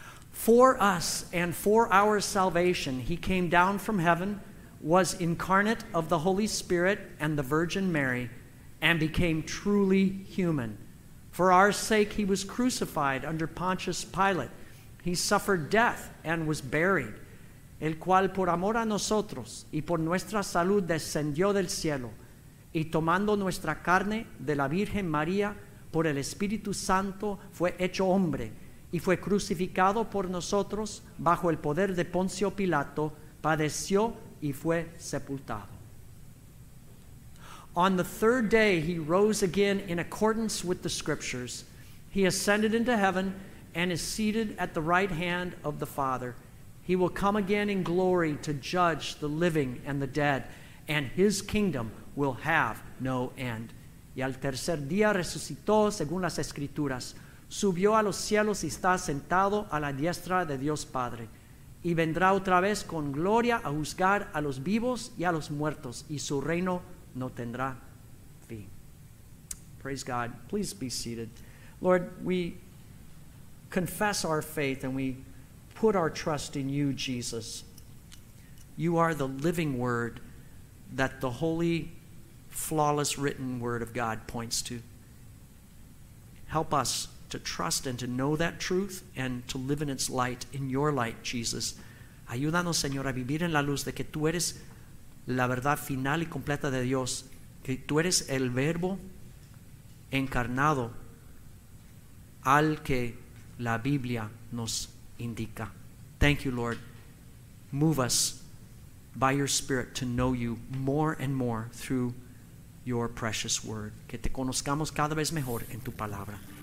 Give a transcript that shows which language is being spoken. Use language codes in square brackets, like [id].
[en] For us and for our salvation, he came down from heaven, was incarnate of the Holy Spirit and the Virgin Mary, and became truly human. For our sake, he was crucified under Pontius Pilate. He suffered death and was buried. [es] El cual por amor a nosotros y por nuestra salud descendió del cielo, y tomando nuestra carne de la Virgen María, por el Espíritu Santo fue hecho hombre, y fue crucificado por nosotros bajo el poder de Poncio Pilato, padeció y fue sepultado. [en] On the third day he rose again in accordance with the Scriptures. He ascended into heaven and is seated at the right hand of the Father. He will come again in glory to judge the living and the dead, and his kingdom will have no end. [es] Y al tercer día resucitó según las Escrituras, subió a los cielos y está sentado a la diestra de Dios Padre, y vendrá otra vez con gloria a juzgar a los vivos y a los muertos, y su reino no tendrá fin. [en] Praise God. Please be seated. Lord, we confess our faith and we put our trust in you, Jesus. You are the living word that the holy, flawless written word of God points to. Help us to trust and to know that truth and to live in its light, in your light, Jesus. [es] Ayúdanos, Señor, a vivir en la luz de que tú eres la verdad final y completa de Dios, que tú eres el verbo encarnado al que la Biblia nos indica. [en] Thank you, Lord. Move us by your Spirit to know you more and more through your precious word. [es] Que te conozcamos cada vez mejor en tu palabra.